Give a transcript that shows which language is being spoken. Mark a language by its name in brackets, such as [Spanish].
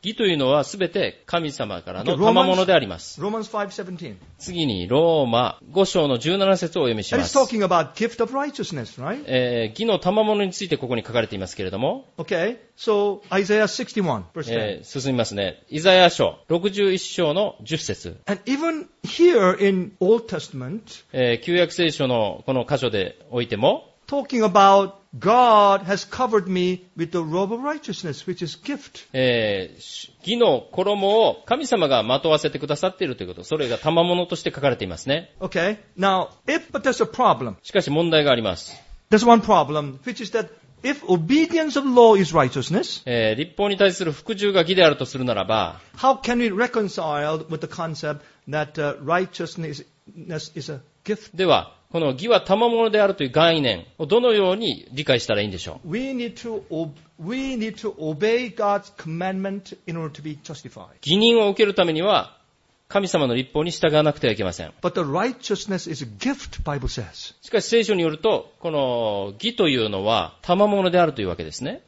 [Japanese] 義というのはすべて神様からの賜物であります。 [English] Okay, Romans 5:17. [Japanese] 次にローマ5章の17節をお読みします。 [English] It's talking about gift of righteousness, right? [Japanese] 義の賜物についてここに書かれていますけれども。 [English] Okay, so Isaiah 61, verse 10. [Japanese] 進みますね。イザヤ書61章の10節。 [English] And even here in Old Testament, [Japanese] 旧約聖書のこの箇所でおいても、 [English] talking about God has covered me with the robe of righteousness, which is gift. [Japanese] 義の衣を神様がまとわせてくださっているということ、それが賜物として書かれていますね。 [English] Okay. Now, if, but there's a problem. [Japanese] しかし問題があります。 [English] There's one problem, which is that if obedience of law is righteousness, [Japanese] 立法に対する服従が義であるとするならば、 [English] how can we reconcile with the concept that righteousness is a gift? [Japanese] では、この義は賜物であるという概念をどのように理解したらいいんでしょう。 [English] We need to obey God's commandment in order to be justified. [Japanese] 義認を受けるためには神様の律法に従わなくてはいけません。 [English] But the righteousness is a gift, Bible says. [Japanese] しかし聖書によるとこの義というのは賜物であるというわけですね。